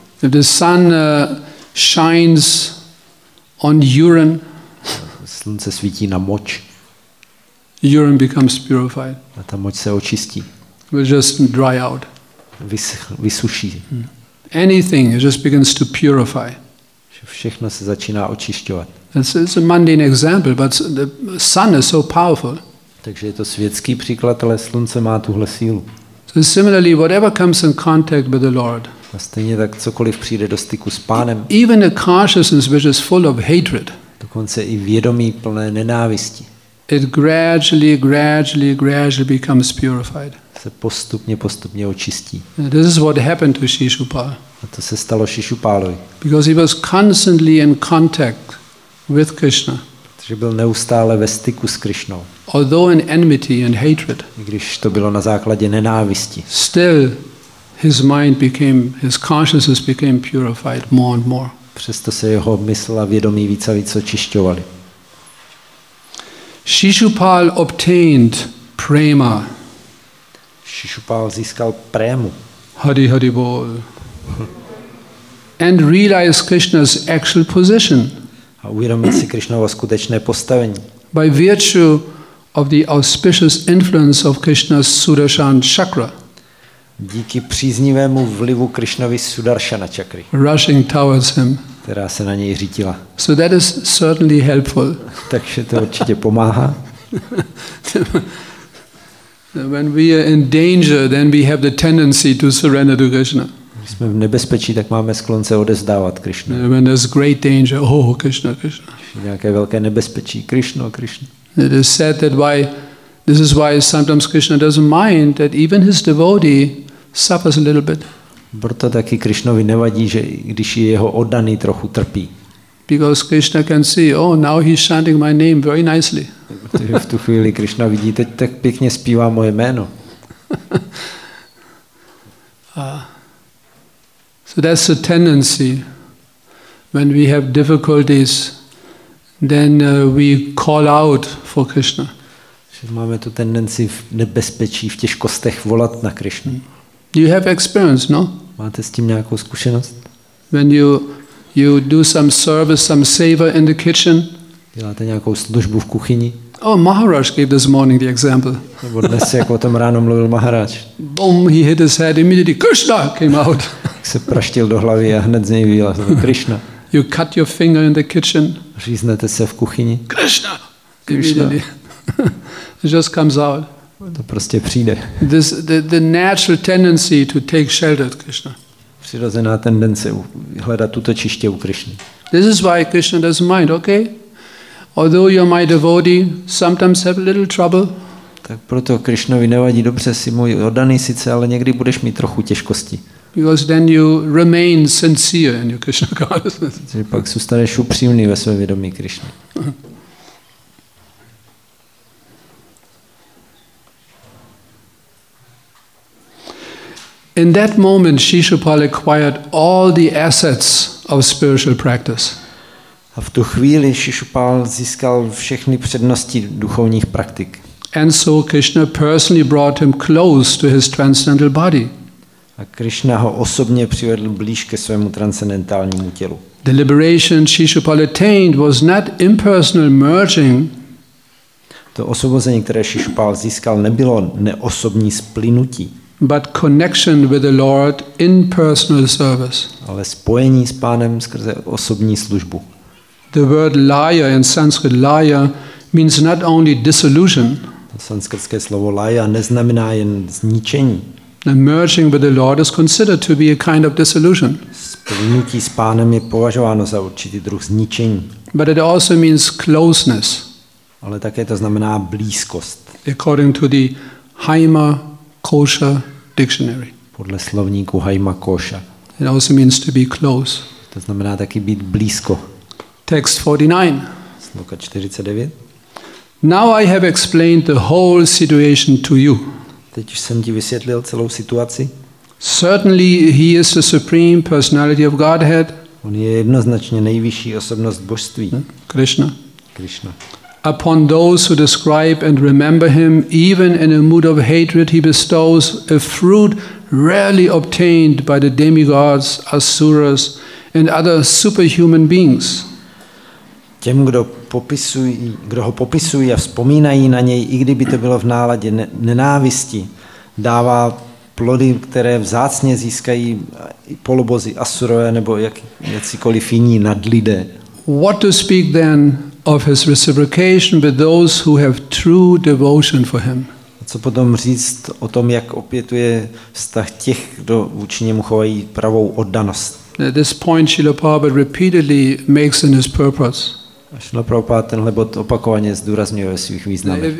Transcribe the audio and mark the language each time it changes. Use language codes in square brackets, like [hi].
[en] If the sun shines on urine, [cs] slunce svítí na moč. [en] Urine becomes purified. [cs] A ta moč se očistí. [en] Will just dry out. [cs] Vysuší. [en] Anything just begins to purify. [cs] Všechno se začíná očišťovat. [en] It's a mundane example, but the sun is so powerful. [cs] Takže je to světský příklad, ale slunce má tuhle sílu. [en] So similarly, whatever comes in contact with the Lord. [cs] A stejně tak cokoliv přijde do styku s pánem. [en] Even a consciousness which is full of hatred. [cs] Dokonce i vědomí plné nenávisti. [en] It gradually becomes purified. [cs] Se postupně očistí. [en] And this is what happened to Shishupal. [cs] A to se stalo Shishupalovi. [en] Because he was constantly in contact with Krishna. [cs] Že byl neustále ve styku s Krišnou. [en] Although in enmity and hatred. [cs] I když to bylo na základě nenávisti. [en] Still his mind became, his consciousness became purified more and more. [cs] Přesto se jeho mysl a vědomí víc a víc očišťovaly. [en] Shishupal obtained prema. [cs] Shishupal získal prému. [en] Hari Hari Bol. And realized Krishna's actual position. [cs] A uvědomil si Krišnovo skutečné postavení. [en] By virtue of the auspicious influence of Krishna's Sudarshan Chakra. [cs] Díky příznivému vlivu Krišnovy Sudarshana Chakry. [en] Rushing towards him. [cs] Která se na něj řítila. [en] So that is certainly helpful. [cs] Takže to určitě pomáhá. [en] When we are in danger, then we have the tendency to surrender to Krishna. [cs] Když jsme v nebezpečí, tak máme sklon se odezdávat Krishna. [en] When there's great danger, oh Krishna, Krishna. [cs] Nějaké velké nebezpečí, Krishna, Krishna. [en] It is said that why, this is why sometimes Krishna doesn't mind that even his devotee suffers a little bit. [cs] Proto taky Krishnovi nevadí, že když jeho oddaný trochu trpí. [en] Because Krishna can see, oh, now he's chanting my name very nicely. [cs] V tu chvíli Krishna vidí, teď tak pěkně zpívá moje jméno. [en] So that's the tendency. When we have difficulties, then we call out for Krishna. [cs] Máme tu tendenci v nebezpečí, v těžkostech volat na Krishnu. [en] You have experience, no? [cs] Máte s tím nějakou zkušenost? [en] When you You do some service, some seva in the kitchen. [cs] Děláte nějakou službu v kuchyni. [en] Oh, Maharaj gave this morning the example. [cs] Nebo dnes se jako o tom ráno mluvil Maharaj. [en] Boom, he hit his head immediately. Krishna came out. [cs] Se praštil do hlavy a hned z něj vylezl Krishna. [en] You cut your finger in the kitchen. [cs] Říznete se v kuchyni. [en] Krishna. Krishna. It just comes out. [cs] To prostě přijde. [en] This the natural tendency to take shelter at Krishna. [cs] Přirozená tendence hledat útočiště u Krishny. [en] This is why Krishna doesn't mind, okay? Although you're my devotee, sometimes have a little trouble. [cs] Tak proto Krishnovi nevadí, dobře si můj oddaný sice, ale někdy budeš mít trochu těžkosti. [en] Because then you remain sincere in your Krishna consciousness. [cs] Takže pak zůstaneš upřímný ve své vědomí Krishna. [en] In that moment, Shishupal acquired all the assets of spiritual practice. [cs] A v tu chvíli Shishupal získal všechny přednosti duchovních praktik. [en] And so Krishna personally brought him close to his transcendental body. [cs] A Krishna ho osobně přivedl blíž ke svému transcendentálnímu tělu. [en] The liberation Shishupal attained was not impersonal merging. [cs] To osvobození, které Shishupal získal, nebylo neosobní splynutí. [en] But connection with the Lord in personal service. [cs] Ale spojení s pánem skrze osobní službu. [en] The word laya in Sanskrit laya means not only dissolution. [cs] Sanskritské slovo laya neznamená jen zničení. [en] Merging with the Lord is considered to be a kind of dissolution. [cs] Spojení s pánem je považováno za určitý druh zničení. [en] But it also means closeness. [cs] Ale také to znamená blízkost. [en] According to the Haima Kosha dictionary. [cs] Podle slovníku Haima Kosha. [en] It also means to be close. [cs] To znamená taky být blízko. [en] Text 49. [cs] Sloka 49. [en] Now I have explained the whole situation to you. [cs] Teď jsem ti vysvětlil celou situaci. [en] Certainly he is the supreme personality of Godhead. [cs] On je jednoznačně nejvyšší osobnost božství. [en] Krishna. [cs] Krishna. [en] Upon those who describe and remember him, even in a mood of hatred, he bestows a fruit rarely obtained by the demigods, asuras, and other superhuman beings. [cs] Těm, kdo ho popisují a vzpomínají na něj, i kdyby to bylo v náladě nenávisti, dává plody, které vzácně získají polobozy, asurové nebo jakýkoliv jiní nadlidé. [en] What to speak then of his reciprocation with those who have true devotion for him. [cs] Co potom říct o tom, jak opětuje vztah těch, kdo vůči němu chovají pravou oddanost. [en] At this point Srila Prabhupada repeatedly makes in his purpose. [cs] Srila Prabhupada tenhle bod opakovaně zdůrazňuje ve svých významech.